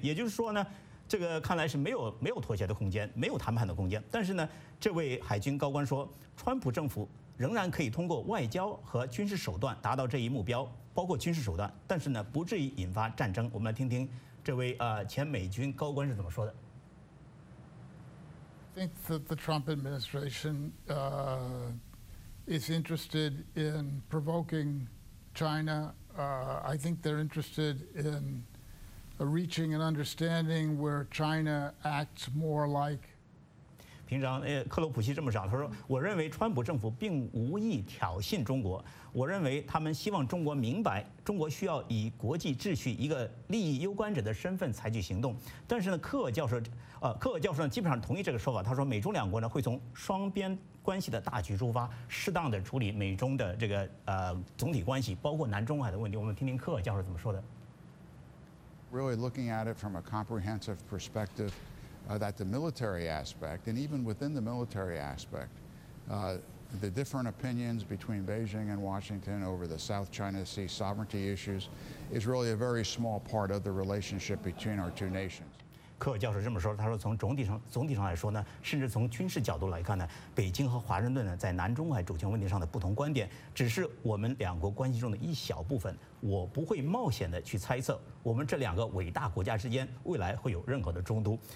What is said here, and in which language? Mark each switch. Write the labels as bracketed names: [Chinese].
[Chinese] 也就是说呢，这个看来是没有妥协的空间，没有谈判的空间。但是呢，这位海军高官说，川普政府仍然可以通过外交和军事手段达到这一目标，包括军事手段，但是呢，不至于引发战争。我们来听听这位前美军高官是怎么说的。 [English] I think that the Trump administration is interested in provoking China. I think they're interested in reaching an understanding where China acts more like. [Chinese] 平常克罗普西这么讲，他说我认为川普政府并无意挑衅中国，我认为他们希望中国明白中国需要以国际秩序一个利益攸关者的身份采取行动。但是呢，克尔教授呢基本上同意这个说法，他说美中两国呢会从双边关系的大局出发，适当的处理美中的这个总体关系，包括南中海的问题。我们听听克尔教授怎么说的。 [English] Really looking at it from a comprehensive perspective, that the military aspect, and even within the military aspect, the different opinions between Beijing and Washington over the South China Sea sovereignty issues is really a very small part of the relationship between our two nations. [Chinese] 克尔教授这么说，他说从总体上来说呢，甚至从军事角度来看呢，北京和华盛顿呢在南中国海主权问题上的不同观点，只是我们两国关系中的一小部分。我不会冒险的去猜测我们这两个伟大国家之间未来会有任何的冲突。